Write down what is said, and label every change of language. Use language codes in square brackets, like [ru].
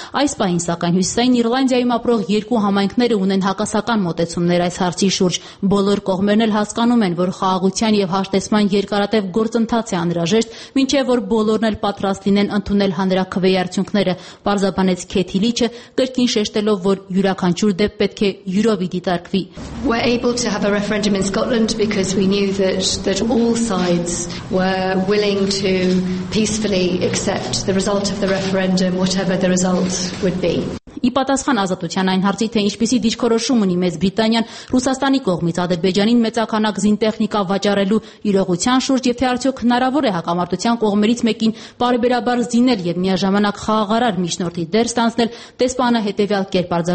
[hy] Այս պահին, սակայն, Հյուսիսային Իռլանդիայում ապրող երկու համայնքները ունեն հակասական մոտեցումներ այս հարցի շուրջ։ Բոլոր կողմերն էլ հասկանում են, որ խաղաղության և հաշտեցման երկարատև գործընթաց է անհրաժեշտ, մինչև որ բոլորն էլ պատրաստ լինեն ընդունել հանրաքվեի արդյունքները, պարզաբանեց Քեթի Լիչը, կրկին շեշտելով, որ յուրաքանչյուր դեպք պետք է յուրովի դիտարկվի։ [en] We're able to have a referendum in Scotland because we knew that all sides were willing to peacefully accept the result of the referendum, whatever the result would be. [hy] Ի պատասխան ազատության այն հարցի, թե ինչպիսի դիրքորոշում ունի Մեծ Բրիտանիան Ռուսաստանի կողմից Ադրբեջանին մեծաքանակ զինտեխնիկա վաճառելու իրողության շուրջ, եթե արդյոք հնարավոր է հակամարտության կողմերից մեկին բարեբերաբար զինել եւ միաժամանակ խաղաղարար միջնորդի դեր ստանձնել, դեսպանը հետեւյալ կերպ